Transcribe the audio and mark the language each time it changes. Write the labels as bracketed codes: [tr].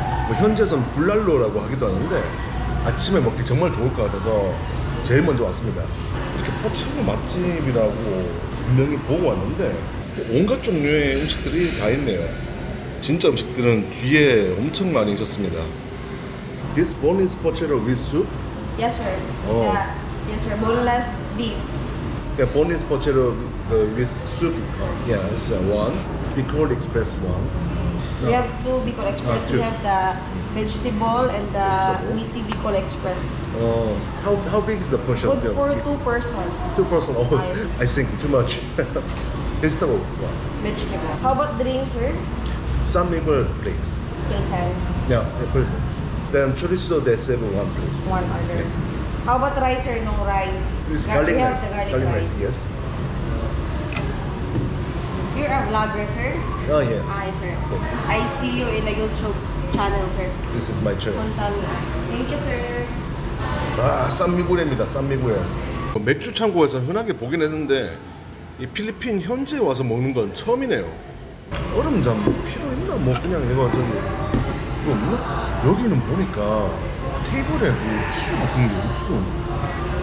[ko] 뭐 현지에선 불날로라고 하기도 하는데 아침에 먹기 정말 좋을 것 같아서 제일 먼저 왔습니다. 이렇게 포체로 맛집이라고 분명히 보고 왔는데 온갖 종류의 음식들이 다 있네요. 진짜 음식들은 뒤에 엄청 많이 있었습니다. [en] This bone is pochero with soup? Yes, sir. Yes, sir. Boneless beef. Yeah, bone is pochero with soup. Yeah, it's one. Bicol Express one. We have two Bicol Express. We have the vegetable and the meaty Bicol Express. How big is the portion? Good for two person. Oh, I think too much. Vegetable one. Vegetable. How about drinks, sir? Some maple, please. Please, sir. Then chorizo de cebu, one, please. One order. Yeah. How about rice or no rice? It's garlic rice. Garlic rice, yes. You're a vlogger, sir? Oh, yes. Hi, sir. Yes. I see you in the YouTube channel, sir. This is my channel. Thank you, sir. [ko] 아, 쌈미구레입니다, 쌈미구레. 맥주 창고에서 흔하게 보긴 했는데 이 필리핀 현지에 와서 먹는 건 처음이네요. 얼음잠 필요 있나? 뭐 그냥 이거 저기 이거 없나? 여기는 보니까 테이블에 뭐 티슈 같은 게 없어.